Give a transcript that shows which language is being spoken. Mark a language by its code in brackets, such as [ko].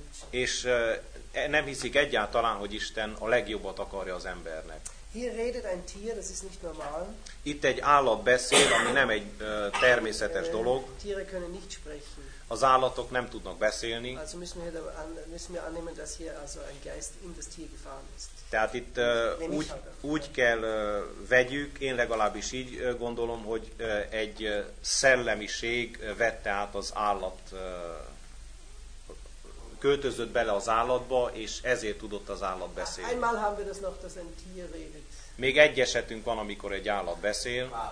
[hu] És nem hiszik egyáltalán, hogy Isten a legjobbat akarja az embernek. [de] Hier redet ein Tier, das ist nicht normal. [hu] Itt egy állat beszél, ami nem egy természetes dolog. [de] Tiere können nicht sprechen. [hu] Az állatok nem tudnak beszélni. [de] Also müssen wir annehmen, dass hier also ein Geist in das Tier gefahren ist. [hu] Tehát itt úgy kell vegyük, én legalábbis így gondolom, hogy egy szellemiség vette át az állat, költözött bele az állatba, és ezért tudott az állat beszélni. [de] Einmal haben wir das noch, dass ein Tier redet. [hu] Még egy esetünk van, amikor egy állat beszél.